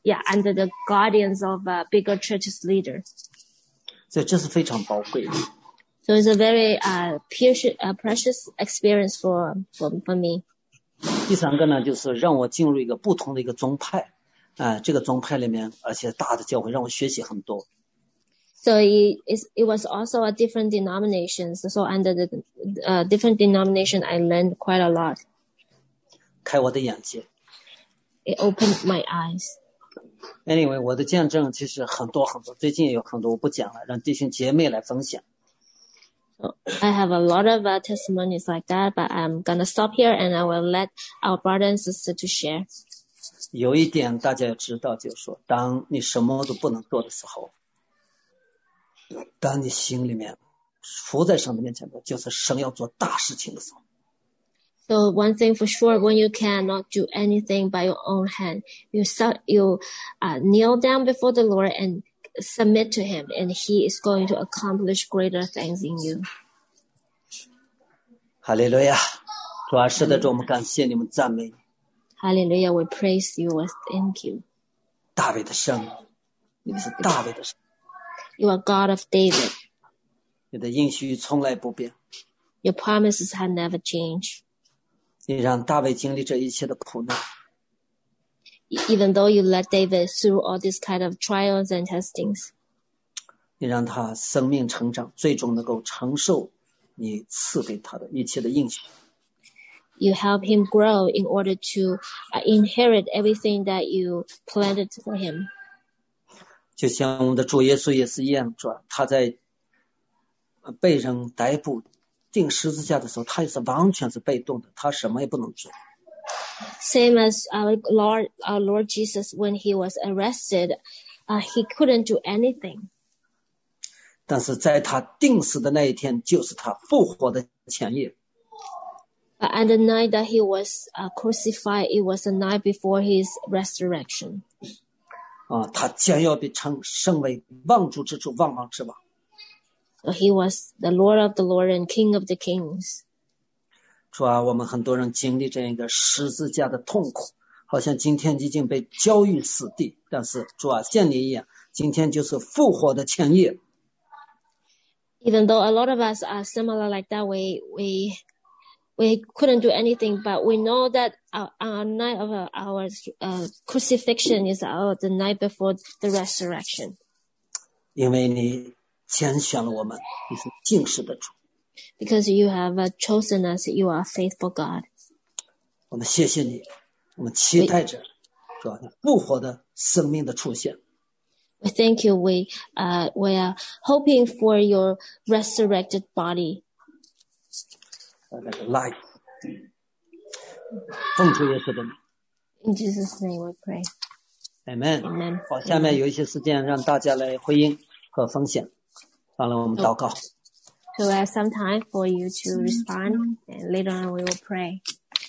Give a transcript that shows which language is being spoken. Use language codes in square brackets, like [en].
[en] Under the guardians of a bigger church's leader. [zh] So, 这是非常宝贵的。 [en] So it's a very precious experience for me. [zh] 第三个呢，就是让我进入一个不同的一个宗派，这个宗派里面，而且大的教会让我学习很多。 [en] So it was also a different denomination. So under the different denomination, I learned quite a lot. [zh] 开我的眼界。 [en] It opened my eyes. [zh] Anyway, 我的见证其实很多很多，最近有很多我不讲了，让弟兄姐妹来分享。 [en] I have a lot of testimonies like that, but I'm gonna stop here and I will let our brother and sister to share. [zh] 有一点大家要知道，就是说，当你什么都不能做的时候，当你心里面伏在神的面前的，就是神要做大事情的时候。 [en] So one thing for sure, when you cannot do anything by your own hand, kneel down before the Lord and submit to Him, and He is going to accomplish greater things in you. Hallelujah. [zh] 主啊，是的，主，我们感谢你们，赞美你。 [en] Hallelujah, we praise you, we thank you. [zh] 大卫的神，你是大卫的神。 [en] You are God of David. [zh] 你的应许从来不变。 [en] Your promises have never changed. [zh] 你让大卫经历这一切的苦难。 [en] Even though you let David through all these kind of trials and testings. [zh] 你让他生命成长，最终能够承受你赐给他的一切的应许。 [en] You help him grow in order to inherit everything that you planted for him. [zh] 就像我们的主耶稣也是一样，主啊，他在被人逮捕钉十字架的时候，他也是完全是被动的，他什么也不能做。 [en] Same as our Lord Jesus when he was arrested, he couldn't do anything. [zh] 但是在他钉死的那一天，就是他复活的前夜。 [en] And the night that he was crucified, it was the night before his resurrection. [zh] 啊，他将要被称圣为万主之主，万王之王。 [en] He was the Lord of the Lord and King of the Kings. [zh] 主啊，我们很多人经历这样一个十字架的痛苦，好像今天已经被交于死地。但是主啊，像你一样，今天就是复活的前夜。 [en] Even though a lot of us are similar like that, we couldn't do anything, but we know that our night of our crucifixion is the night before the resurrection. [zh] 因为你拣选了我们，你是信实的主。 [en] Because you have chosen us, you are faithful God. [zh] 我们谢谢你，我们期待着主复活的生命的出现。 [en] We thank you. We are hoping for your resurrected body. Life. [zh] 奉主耶稣的名。 [en] In Jesus' name, we pray. Amen. Amen. [zh] 好，下面有一些时间让大家来回应和分享。完了，我们祷告。 [en] So we have some time for you to respond, and later on we will pray.